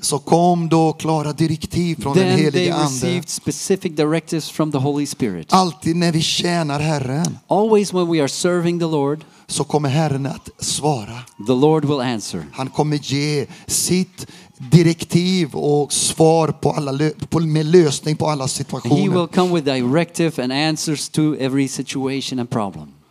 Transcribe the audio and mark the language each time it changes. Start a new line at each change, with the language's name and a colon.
Swedish: Så kom då klara direktiv från den helige ande.
English: Then they received specific directives from the Holy Spirit.
Swedish: Alltid när vi tjänar Herren.
English: Always when we are serving the Lord.
Swedish: så kommer Herren att svara.
English: The Lord will answer.
Swedish: Han kommer ge sitt direktiv och svar på alla med lösning på alla situationer.
English: He will come with directive and answers to every situation and problem.